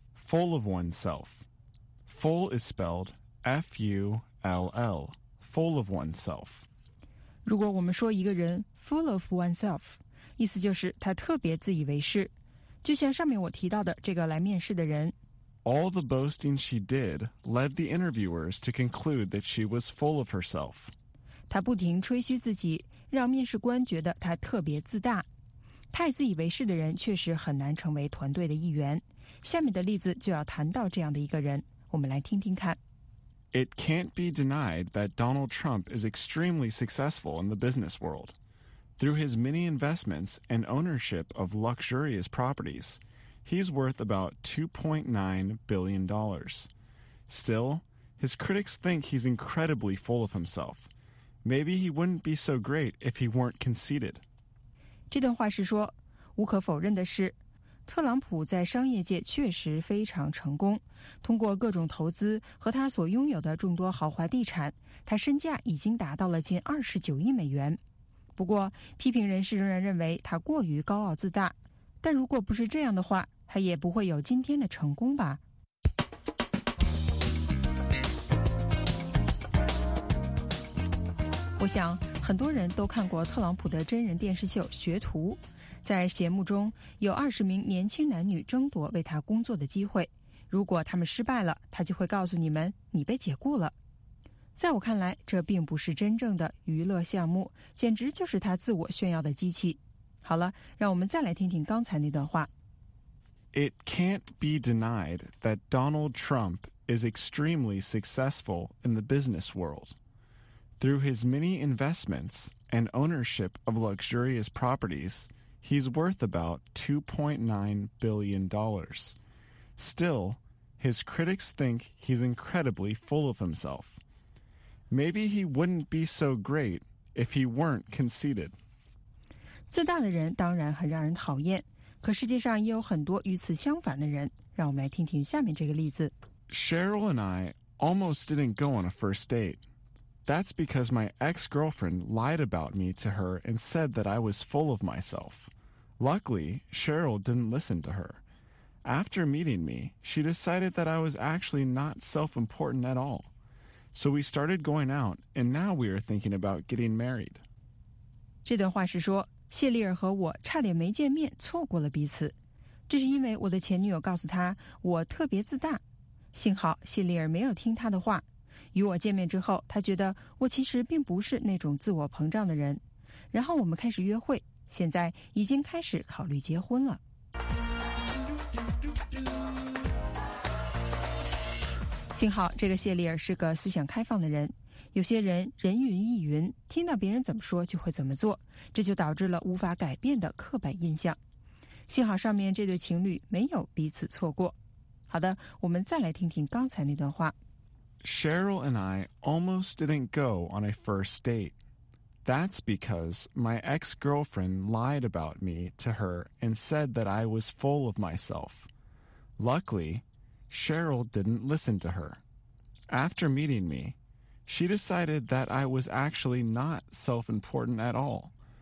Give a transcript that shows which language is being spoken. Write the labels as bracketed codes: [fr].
[en] Full of oneself. Full is spelled F-U-L-L. Full of oneself. [zh] 如果我们说一个人 [en] full of oneself, [zh] 意思就是他特别自以为是。就像上面我提到的这个来面试的人 [en] All the boasting she did led the interviewers to conclude that she was full of herself. [zh] 她不停吹嘘自己，让面试官觉得她特别自大。太自以为是的人确实很难成为团队的一员。下面的例子就要谈到这样的一个人，我们来听听看。 [en] It can't be denied that Donald Trump is extremely successful in the business world. Through his many investments and ownership of luxurious properties, he's worth about $2.9 billion. Still, his critics think he's incredibly full of himself. Maybe he wouldn't be so great if he weren't conceited. [zh] 这段话是说，无可否认的是，特朗普在商业界确实非常成功。通过各种投资和他所拥有的众多豪华地产，他身价已经达到了近$29亿。不过批评人士仍然认为他过于高傲自大，但如果不是这样的话，他也不会有今天的成功吧。我想很多人都看过特朗普的真人电视秀《学徒》，在节目中有20名年轻男女争夺为他工作的机会，如果他们失败了，他就会告诉你们你被解雇了。在我看来，这并不是真正的娱乐项目，简直就是他自我炫耀的机器。好了，让我们再来听听刚才那段话。 [en] It can't be denied that Donald Trump is extremely successful in the business world. Through his many investments and ownership of luxurious properties, he's worth about $2.9 billion. Still, his critics think he's incredibly full of himself. Maybe he wouldn't be so great if he weren't conceited. [zh] 自大的人当然很让人讨厌，可世界上也有很多与此相反的人。让我们来听听下面这个例子。 [en] Cheryl and I almost didn't go on a first date. That's because my ex-girlfriend lied about me to her and said that I was full of myself. Luckily, Cheryl didn't listen to her. After meeting me, she decided that I was actually not self-important at all. So we started going out, and now we are thinking about getting married. [zh] 这段话是说，谢丽尔和我差点没见面，错过了彼此。这是因为我的前女友告诉她我特别自大。幸好谢丽尔没有听她的话，与我见面之后，他觉得我其实并不是那种自我膨胀的人。然后我们开始约会，现在已经开始考虑结婚了。幸好这个谢丽尔是个思想开放的人，有些人人云亦云，听到别人怎么说就会怎么做，这就导致了无法改变的刻板印象。幸好上面这对情侣没有彼此错过。好的，我们再来听听刚才那段话。 [en] Cheryl and I almost didn't go on a first date. That's because my ex-girlfriend lied about me to her and said that I was full of myself. Luckily,Cheryl didn't listen to her. After meeting me, she decided that I was actually not self-important at all.